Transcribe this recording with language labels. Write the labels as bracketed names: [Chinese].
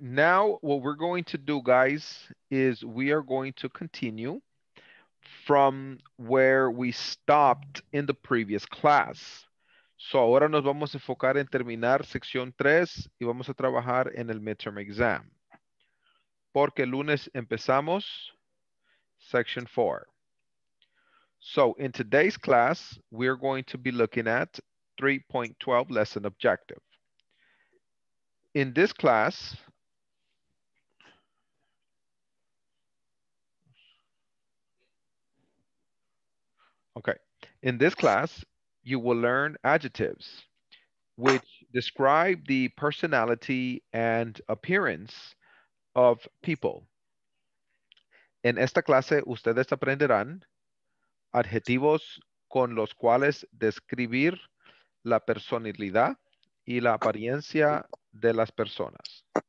[English] Now what we're going to do, guys, is we are going to continue from where we stopped in the previous class. [Spanish] So ahora nos vamos a enfocar en terminar sección 3 y vamos a trabajar en el midterm exam. Porque el lunes empezamos section 4. [English] So in today's class, we're going to be looking at 3.12 lesson objective. In this class, okay, in this class, you will learn adjectives, which describe the personality and appearance of people. [Spanish] En esta clase, ustedes aprenderán adjetivos con los cuales describir la personalidad y la apariencia de las personas.